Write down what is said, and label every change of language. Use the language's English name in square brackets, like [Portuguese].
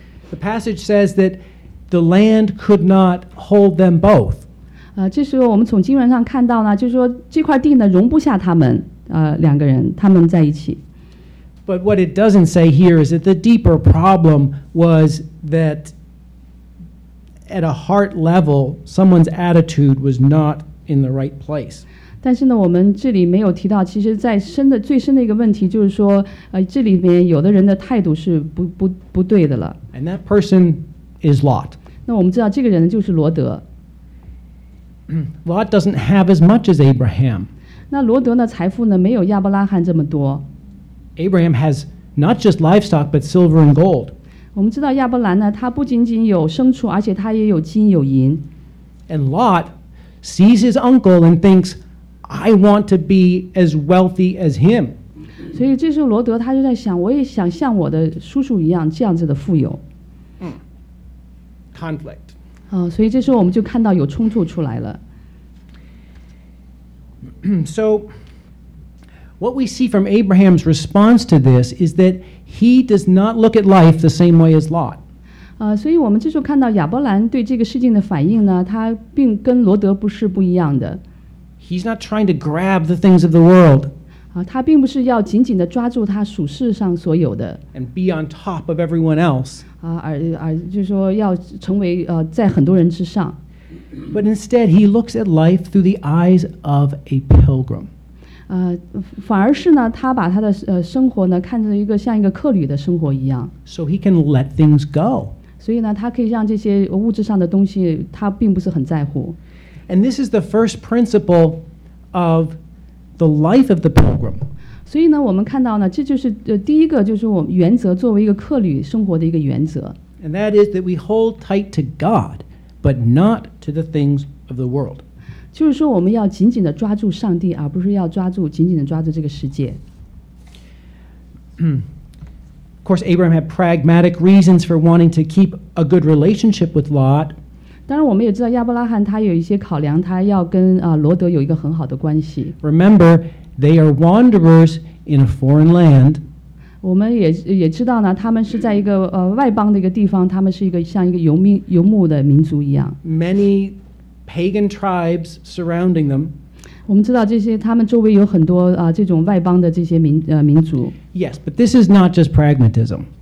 [English] The passage says that the land could not hold them both. [Chinese] 这时候我们从经文上看到呢，就是说这块地呢容不下他们，两个人，他们在一起。 [English] But what it doesn't say here is that the deeper problem was that at a heart level, someone's attitude was not in the right place. [Chinese] 但是呢，我们这里没有提到，其实在深的最深的一个问题就是说，这里面有的人的态度是不对的了。 [English] And that person is Lot. [Chinese] 那我们知道这个人就是罗德。 [English] Lot doesn't have as much as Abraham. [Chinese] 那罗德呢，财富呢没有亚伯拉罕这么多。 [English] Abraham has not just livestock, but silver and gold. [Chinese] 我们知道亚伯兰呢，他不仅仅有牲畜，而且他也有金有银。 [English] And Lot sees his uncle and thinks, I want to be as wealthy as him. [Chinese] 所以这时候罗德他就在想，我也想像我的叔叔一样这样子的富有。 [English] Conflict. [Chinese] 所以这时候我们就看到有冲突出来了。 [English] So,What we see from Abraham's response to this is that he does not look at life the same way as Lot. [Chinese] 所以我们这时候看到亚伯兰对这个事情的反应呢，他并跟罗德不是不一样的。 [English] He's not trying to grab the things of the world. [Chinese] 他并不是要紧紧地抓住他属世上所有的。 [English] And be on top of everyone else. [Chinese] 就是说要成为在很多人之上。 [English] But instead, he looks at life through the eyes of a pilgrim. [Chinese] 反而是呢，他把他的生活呢，看成一个像一个客旅的生活一样。 [English] So he can let things go. [Chinese] 所以呢，他可以让这些物质上的东西，他并不是很在乎。 [English] And this is the first principle of the life of the pilgrim. [Chinese] 所以呢，我们看到呢，这就是第一个，就是我们原则作为一个客旅生活的一个原则。 [English] And that is that we hold tight to God, but not to the things of the world. [Chinese] 就是说我们要紧紧地抓住上帝，而不是要抓住紧紧地抓住这个世界。 [English] Of course, Abraham had pragmatic reasons for wanting to keep a good relationship with Lot. [Chinese] 当然我们也知道亚伯拉罕他有一些考量，他要跟罗德有一个很好的关系。 [English] Remember, they are wanderers in a foreign land. [Chinese] 我们 也知道呢，他们是在一个外邦的一个地方，他们是一个像一个游牧的民族一样。 [English] Many pagan tribes surrounding them. [Chinese] 我们知道这些，他们周围有很多这种外邦的这些民族。 [English] Yes, but this is not just pragmatism.